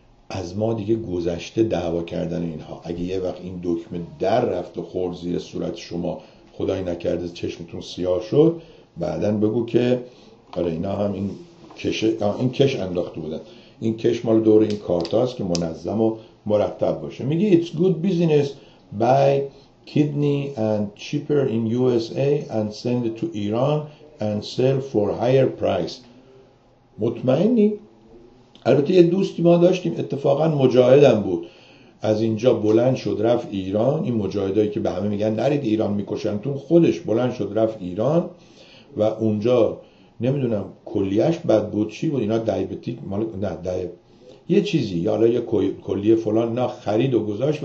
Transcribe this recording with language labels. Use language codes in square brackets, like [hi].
[fa] از ما دیگه گذشته دعوا کردن اینها. اگه یه وقت این دکمه در رفت و خورد زیر صورت شما، خدای نکرده چشمتون سیاه شد، بعدن بگو که آره اینا هم این کش، این کش انداخته بودن، این کش مال دور این کارت هاست که منظم و مرتب باشه. میگه [en] It's good business, buy kidney and cheaper in USA and send it to Iran and sell for higher price. [fa] مطمئنی؟ البته یه دوستی ما داشتیم اتفاقا مجاهدم بود، از اینجا بلند شد رفت ایران. این مجاهدایی که به همه میگن نرید ایران میکشنتون، خودش بلند شد رفت ایران و اونجا نمیدونم کلیهش بد بود چی بود، اینا دیابتیک مال نه دیاب یه چیزی یا یه کلیه فلان نه خرید و گذاشت.